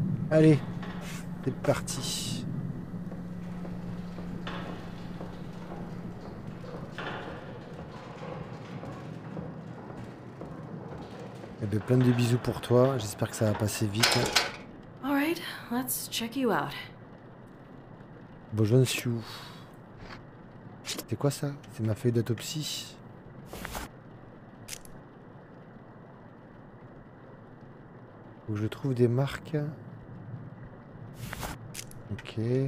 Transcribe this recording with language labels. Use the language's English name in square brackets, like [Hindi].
[French] Allez, c'est parti. De plein de bisous pour toi. J'espère que ça va passer vite. [English] All right, let's check you out. [French] Bonjour, Sue. C'est quoi ça? C'est ma feuille d'autopsie. Où je trouve des marques. Ok.